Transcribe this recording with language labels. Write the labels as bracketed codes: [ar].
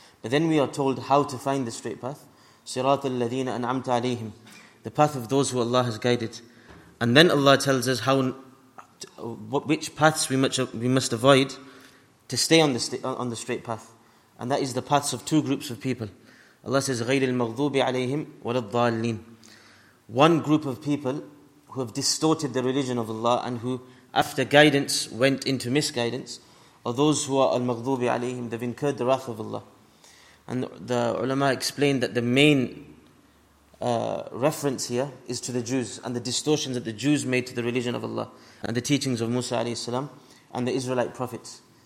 [en] But then we are told how to find the straight path. [ar] صراط الذين أنعمت عليهم. [en] The path of those who Allah has guided. And then Allah tells us which paths we must avoid to stay on the straight path. And that is the paths of two groups of people. Allah says [ar] غير المغضوب عليهم ولا الضالين. [en] One group of people who have distorted the religion of Allah and who, after guidance, went into misguidance, are those who are al-maghdubi alayhim, they've incurred the wrath of Allah. And the ulama explained that the main reference here is to the Jews and the distortions that the Jews made to the religion of Allah and the teachings of Musa alayhi salam and the Israelite prophets.